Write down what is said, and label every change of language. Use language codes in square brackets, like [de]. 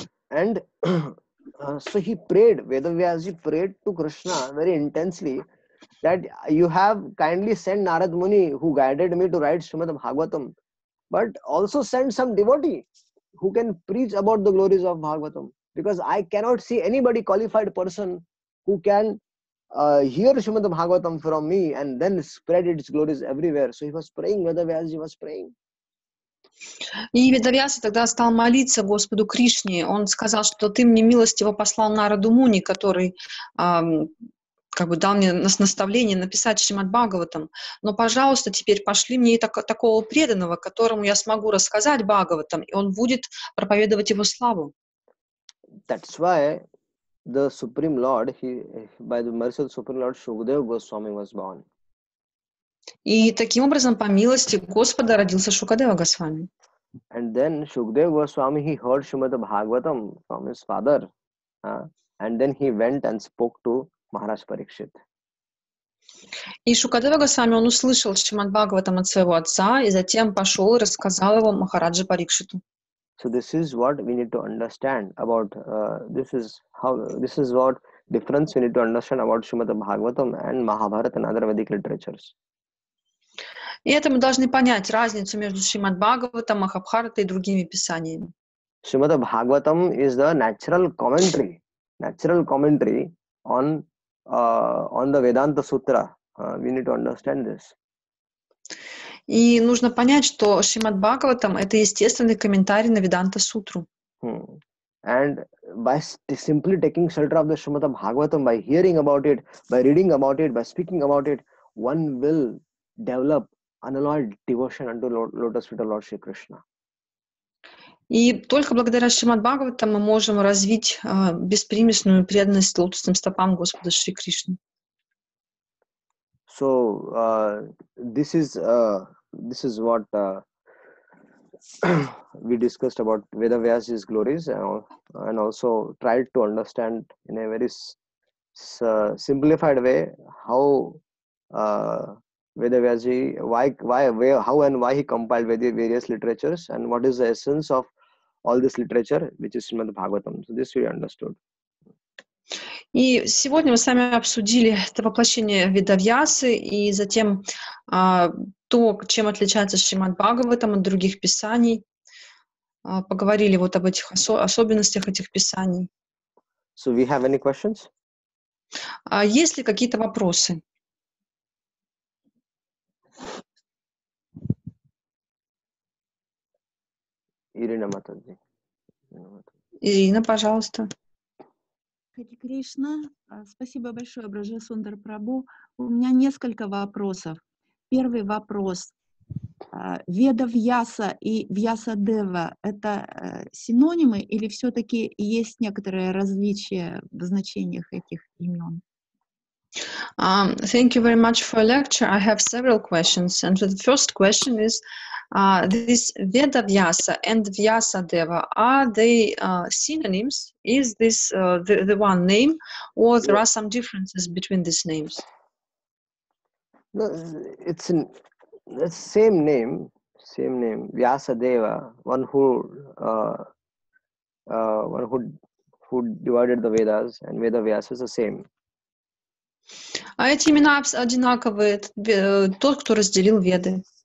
[en] And so he prayed, Ведавьяси prayed to Krishna very intensely that you have kindly sent Narad Muni who guided me to write Shrimad Bhagavatam. But also send some devotee who can preach about the glories of Bhagavatam. Because I cannot see anybody qualified person who can hear Srimad Bhagavatam from me and then spread its glories everywhere. So he was praying, Vedavyasa was praying. [ru] И Ведавьяса тогда стал молиться Господу Кришне. Он сказал, что ты мне милостиво послал Нараду Муни, который дал мне наставление написать Шримад Бхагаватам. Но, пожалуйста, теперь пошли мне и такого преданного, которому я смогу рассказать Бхагаватам, и он будет проповедовать его славу. [en] That's why the Supreme Lord, by the mercy of the Supreme Lord, Shukadeva Goswami was born. [ru] И таким образом, по милости Господа, родился Шукадева Госвами. [en] And then Shukadeva Goswami, he heard Shrimad Bhagavatam from his father. And then he went and spoke to Maharaj Parikshit. [ru] И Шукадева Госвами, он услышал Шримад Бхагаватам от своего отца и затем пошел и рассказал его Махараджа Парикшиту. [en] So this is what we need to understand about this is what difference we need to understand about Shrimad Bhagavatam and Mahabharata and other Vedic literatures. [ru] И это мы должны понять разницу между Шримад Бхагаватам, Махабхаратой и другими писаниями. [en] Shrimad Bhagavatam is the natural commentary on the Vedanta Sutra. We need to understand this. [ru] И нужно понять, что Шримад Бхагаватам — это естественный комментарий на Веданта Сутру. [en] And by simply taking shelter of the Shrimad Bhagavatam, by hearing about it, by reading about it, by speaking about it, one will develop unalloyed devotion unto Lotus Feet of Lord Shri Krishna. [ru] И только благодаря Шримад Бхагаватам мы можем развить беспримесную преданность лотосным стопам Господа Шри Кришны. [en] So this is what we discussed about Vedavyasa's glories and also tried to understand in a very simplified way how he compiled various literatures and what is the essence of all this literature, which is Srimad Bhagavatam. So this we understood. [ru] И сегодня мы с вами обсудили это воплощение Ведавьясы и затем то, чем отличается Шримад Бхагаватам от других писаний. Поговорили вот об этих особенностях этих писаний. [en] So we have any questions? [ru] Есть ли какие-то вопросы? Ирина Матадзе. Ирина, пожалуйста. Хари Кришна, спасибо большое, Браже Сундар Прабу. У меня несколько вопросов. Первый вопрос. Ведавьяса и Вьясадева — это синонимы или все-таки есть некоторое различие в значениях этих имен? [en] Thank you very much for your lecture. I have several questions. And the first question is, this Vedavyasa and Vyasadeva, are they synonyms? Is this the one name, or there are some differences between these names? No, it's the same name, Vyasadeva, one who divided the Vedas, and Vedavyasa is the same. [ru] А эти имена одинаковые, тот, кто разделил Веды.